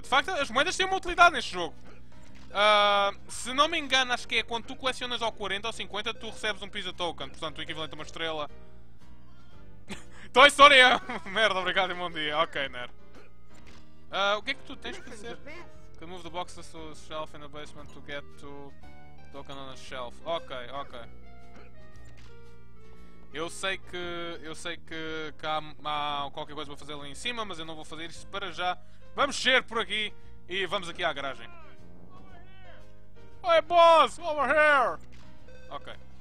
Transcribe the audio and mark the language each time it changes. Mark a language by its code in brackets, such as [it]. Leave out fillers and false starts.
[pt] De facto, as moedas têm uma utilidade neste jogo. Se não me engano, acho que é quando tu colecionas ao 40 ou 50, tu recebes um Pizza Token. Portanto, o equivalente a uma estrela. Toy Story! Merda, obrigado e bom dia. Ok, Ner. O que é que tu tens que fazer? [en] Can move the box to the shelf in the basement to get to token on the shelf. Ok, ok. [pt] Eu sei que há qualquer coisa para fazer lá em cima, mas eu não vou fazer isso para já. Vamos descer por aqui e vamos aqui à garagem. Oi, boss! [en] Over here! [pt] Ok.